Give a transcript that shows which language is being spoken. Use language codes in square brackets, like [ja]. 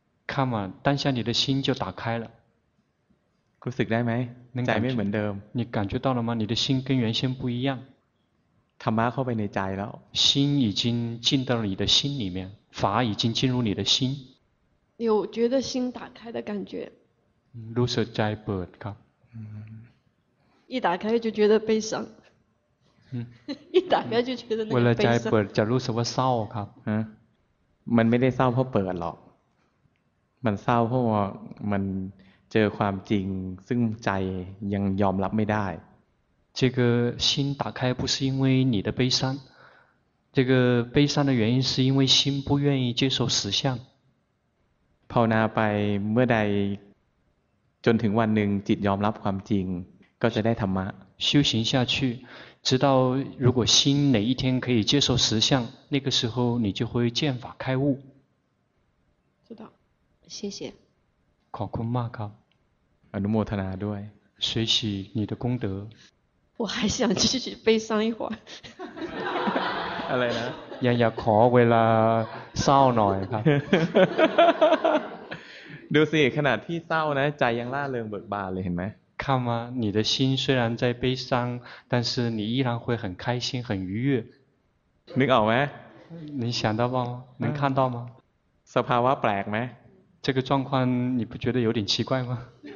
[zh] 看嘛当下你的心就打开了 [th] รู้สึกได้ไหมใจไม่เหมือนเดิม [zh] 你感觉到了吗你的心跟原先不一样 [th] ธรรมะเข้าไปในใจแล้ว [zh] 心已经进到了你的心里面法已经进入你的心有觉得心打开的感觉 [th] รู้สึกใจเปิดครับ [zh] 一打开就觉得悲伤一打开就觉得那个悲伤 [th] เวลาใจเปิดจะรู้สึกว่าเศร้าครับ มันไม่ได้เศร้าเพราะเปิดหรอกมันเศร้าเพราะว่ามันเจอความจริงซึ่งใจยังยอมรับไม่ได้ [zh] 这个心打开不是因为你的悲伤这个悲伤的原因是因为心不愿意接受实相 [th] ภาวนาไปเมื่อใดจนถึงวันหนึ่งจิตยอมรับความจริงก็จะได้ธรรมะ [zh] 修行下去直到如果心哪一天可以接受实相那个时候你就会见法开悟知道谢谢 [th] ขอบคุณมากครับ อนุโมทนาด้วย [zh] 学习你的功德我还想继续悲伤一会 [th] 儿อะไรนะ ยังอยากขอเวลาเศร้าหน่อยครับ ดูสิขนาดที่เศร้านะใจยังร่าเริงเบิกบานเลยเห็นไหม [zh] 看吗你的心虽然在悲伤但是你依然会很开心很愉悦 [th] นึกออกไหม [zh] 你想到吗能看到吗 [th] สภาวะแปลกไหม [zh] 这个状况你不觉得有点奇怪吗？